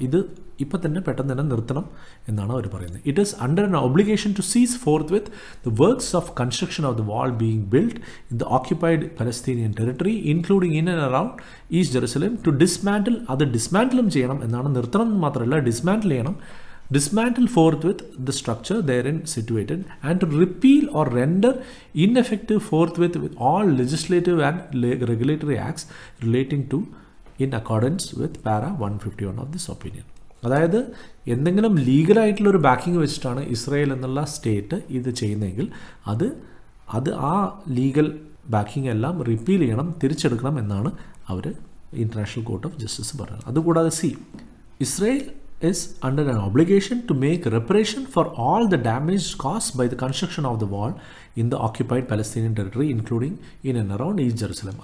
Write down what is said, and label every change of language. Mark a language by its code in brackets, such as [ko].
[ml] ഇത് ഇപ്പം തന്നെ പെട്ടെന്ന് തന്നെ നിർത്തണം എന്നാണ് അവർ പറയുന്നത്. [en] It is under an obligation to cease forthwith the works of construction of the wall being build in the occupied Palestinian territory including in and around East Jerusalem to dismantle. [ml] അത് ഡിസ്മാൻഡിലും ചെയ്യണം എന്നാണ്, നിർത്തണം എന്ന് മാത്രമല്ല ഡിസ്മാൻഡിൽ ചെയ്യണം [en] dismantle forthwith the structure therein situated, and to repeal or render ineffective forthwith with all legislative and regulatory acts relating to in accordance with para 151 of this opinion. [ml] അതായത് എന്തെങ്കിലും ലീഗലായിട്ടുള്ളൊരു backing വെച്ചിട്ടാണ് ഇസ്രായേൽ എന്നുള്ള state ഇത് ചെയ്യുന്നതെങ്കിൽ അത് അത് ആ legal backing എല്ലാം റിപ്പീൽ ചെയ്യണം, തിരിച്ചെടുക്കണം എന്നാണ് അവർ ഇന്റർനാഷണൽ കോർട്ട് ഓഫ് ജസ്റ്റിസ് പറയുന്നത്. [en] അതുകൂടാതെ C, Israel is under an obligation to make റെപ്പറേഷൻ for all the damage caused by the construction of the wall in the occupied Palestinian territory including in and around ഈ Jerusalem.